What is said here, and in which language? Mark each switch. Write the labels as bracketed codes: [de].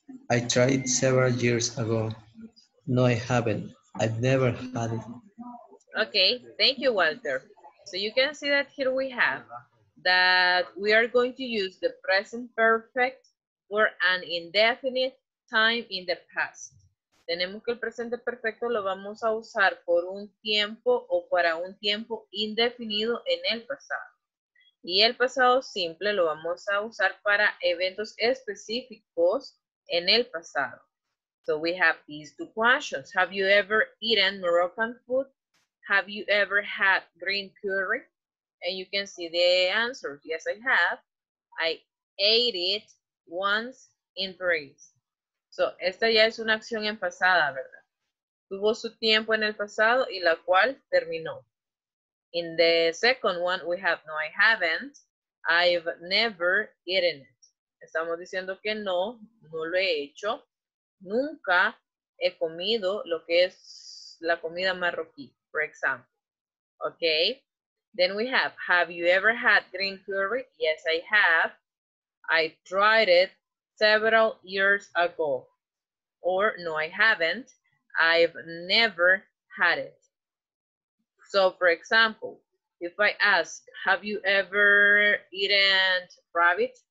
[en] I tried it several years ago. No, I haven't. I've never had it. Okay, thank you, Walter. So you can see that here we have that we are going to use the present perfect for an indefinite time in the past. [es] Tenemos que el presente perfecto lo vamos a usar por un tiempo o para un tiempo indefinido en el pasado. Y el pasado simple lo vamos a usar para eventos específicos en el pasado. [en] So we have these two questions. Have you ever eaten Moroccan food? Have you ever had green curry? And you can see the answers. Yes, I have. I ate it once in Paris. [es] So, esta ya es una acción en pasada, ¿verdad? Tuvo su tiempo en el pasado y la cual terminó. [en] In the second one, we have, no, I haven't. I've never eaten it. [es] Estamos diciendo que no, no lo he hecho. Nunca he comido lo que es la comida marroquí, [en] for example. Okay. Then we have you ever had green curry? Yes, I have. I tried it several years ago. Or, no, I haven't. I've never had it. So, for example, if I ask, have you ever eaten rabbit?